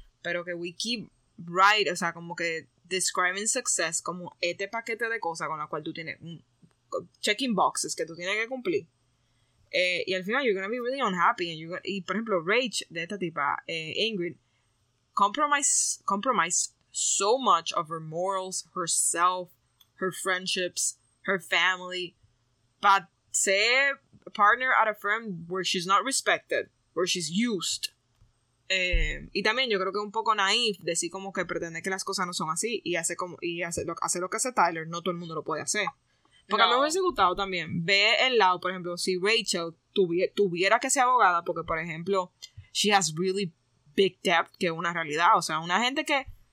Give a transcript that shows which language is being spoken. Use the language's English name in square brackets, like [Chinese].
[Spanish] Pero que [English] we keep right, [Spanish] o sea, como que [English] describing success [Spanish] como este paquete de cosas con la cual tú tienes, [English] checking boxes [Spanish] que tú tienes que cumplir. Y al final [English] you're gonna be really unhappy. [Spanish] Y por ejemplo, Rach, de esta tipa, [English] Ingrid, compromised so much of her morals, herself, her friendships, her family, but say a partner at a firm where she's not respected, where she's used. [Spanish] Y también yo creo que es un poco naive decir como que pretender que las cosas no son así y hace lo que hace Tyler, no todo el mundo lo puede hacer. Porque no. A mí me hubiese gustado también ver el lado, por ejemplo, si Rachel tuviera que ser abogada, porque por ejemplo, [English] she has really big debt, [Spanish] que es una realidad, o sea, una gente que...